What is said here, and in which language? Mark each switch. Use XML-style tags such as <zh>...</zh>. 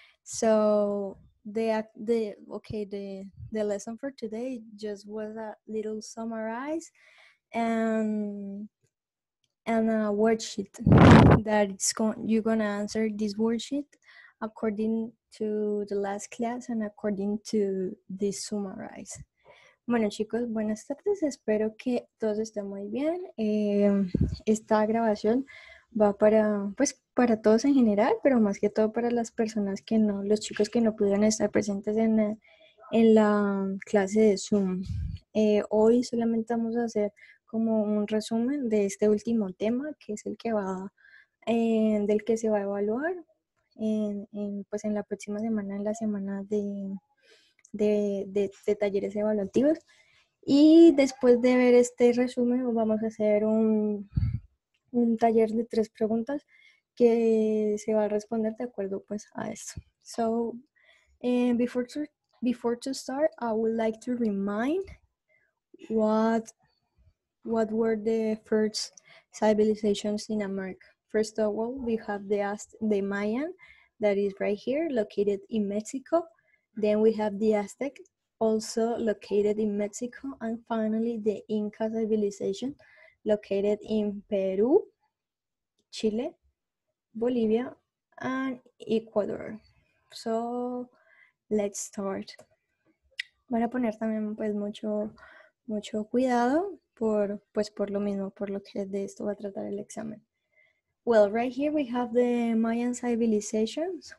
<en>So the lesson for today just was a little summarize and a worksheet that you're gonna answer this worksheet according to the last class and according to this summarize.</en> <es>Bueno, chicos, buenas tardes. Espero que todos estén muy bien. Esta grabación va para todos en general, pero más que todo para las personas que no, los chicos que no pudieron estar presentes en la clase de Zoom. Hoy solamente vamos a hacer como un resumen de este último tema, que es el que va del que se va a evaluar en la próxima semana, en la semana de talleres evaluativos. Y después de ver este resumen, vamos a hacer un taller de 3 preguntas que se va a responder de acuerdo pues a esto.</es> <en>So before to start, I would like to remind what were the first civilizations in America. First of all, we have the Mayan, that is right here, located in Mexico. Then we have the Aztec, also located in Mexico. And finally, the Inca civilization, located in Peru, Chile, Bolivia, and Ecuador. So let's start.</en> <es>Voy a poner también pues mucho cuidado por lo mismo, por lo que de esto va a tratar el examen.</es> <en>Well, right here we have the Mayan civilizations.</en>